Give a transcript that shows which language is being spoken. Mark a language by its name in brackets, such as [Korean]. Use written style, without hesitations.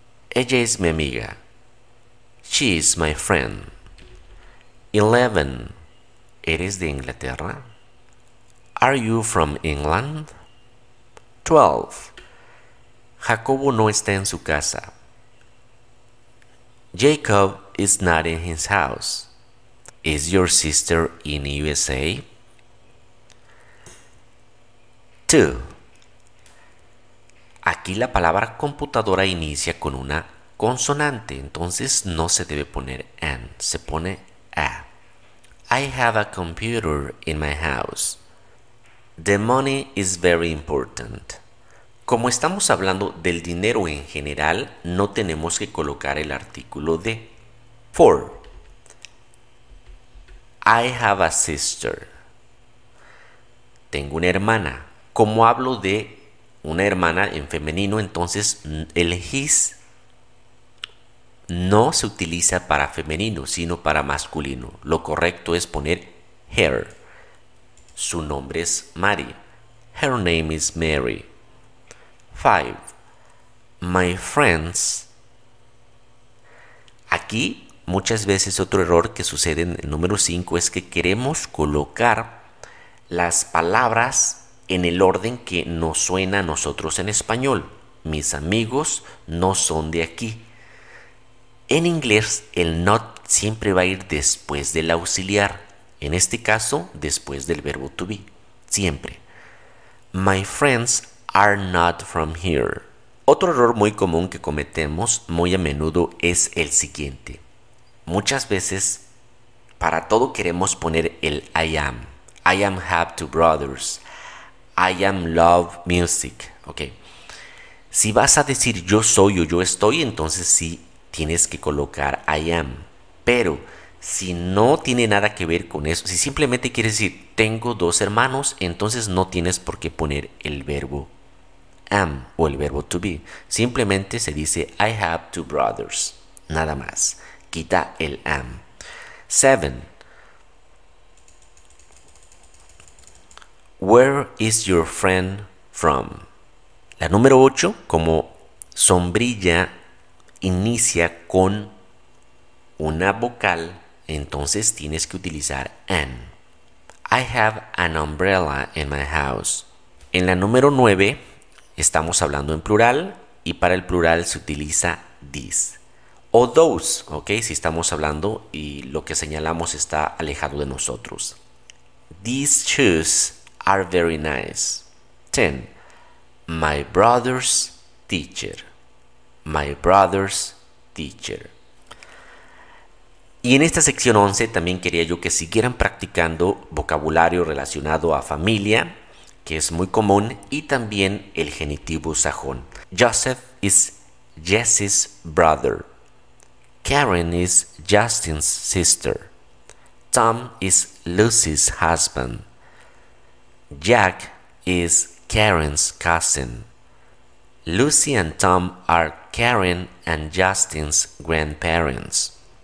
[Spanish] Ella es mi amiga. [English] She is my friend. [Spanish] 11. ¿Eres de Inglaterra? [English] Are you from England? [Spanish] 12. Jacobo no está en su casa. [English] Jacob is not in his house. Is your sister in USA? [Spanish] 2. Aquí la palabra computadora inicia con una consonante, entonces no se debe poner and, se pone a. [English] I have a computer in my house. The money is very important. [Spanish] Como estamos hablando del dinero en general, no tenemos que colocar el artículo de. 4. [English] I have a sister. [Spanish] Tengo una hermana. Como hablo de una hermana en femenino, entonces el his no se utiliza para femenino, sino para masculino. Lo correcto es poner her. Su nombre es Mary. [English] Her name is Mary. [Spanish] 5. [English] My friends. [Spanish] Aquí muchas veces otro error que sucede en el número 5 es que queremos colocar las palabras en el orden que nos suena a nosotros en español. Mis amigos no son de aquí. En inglés el not siempre va a ir después del auxiliar. En este caso, después del verbo to be. Siempre. [English] My friends are not from here. [Spanish] Otro error muy común que cometemos muy a menudo es el siguiente. Muchas veces, para todo queremos poner el I am. [English] I am have two brothers. I am love music. Okay. [Spanish] Si vas a decir yo soy o yo estoy, entonces sí tienes que colocar I am. Pero si no tiene nada que ver con eso, si simplemente quieres decir tengo dos hermanos, entonces no tienes por qué poner el verbo am o el verbo to be. Simplemente se dice [English] I have two brothers. [Spanish] Nada más. Quita el am. 7. [English] Where is your friend from? [Spanish] La número 8, como sombrilla, inicia con una vocal, entonces tienes que utilizar an. [English] I have an umbrella in my house. [Spanish] En la número 9, estamos hablando en plural y para el plural se utiliza this. O those, ok, si estamos hablando y lo que señalamos está alejado de nosotros. [English] These shoes are very nice. 10. My brother's teacher. My brother's teacher. [Spanish] Y en esta sección 11 también quería yo que siguieran practicando vocabulario relacionado a familia, que es muy común, y también el genitivo sajón. [English] Joseph is Jesse's brother. Karen is Justin's sister. Tom is Lucy's husband. Jack is Karen's cousin. Lucy and Tom are Karen and Justin's grandparents.